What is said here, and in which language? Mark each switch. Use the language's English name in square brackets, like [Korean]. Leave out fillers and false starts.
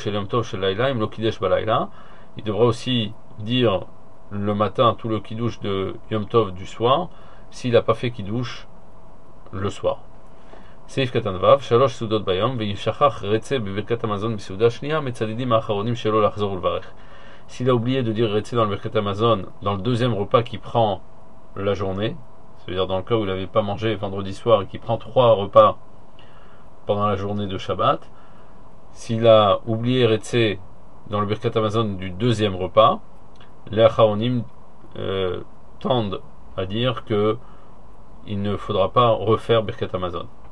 [French] Il devra aussi dire le matin tout le kiddush de Yom Tov du soir, s'il n'a pas fait kiddush le soir. [Hebrew] סעיף קטן וב, שלוש סעודות ביום, וישכח רצה בברכת המזון בסעודה שנייה, מצדדים האחרונים שלו לחזור ולברך. [French] S'il a oublié de dire רצה dans le ברכת המזון, dans le deuxième repas qu'il prend la journée, c'est-à-dire dans le cas où il n'avait pas mangé vendredi soir et qu'il prend trois repas pendant la journée de Shabbat, s'il a oublié רצה dans le ברכת המזון du deuxième repas, les האחרונים tendent à dire qu'il ne faudra pas refaire ברכת המזון.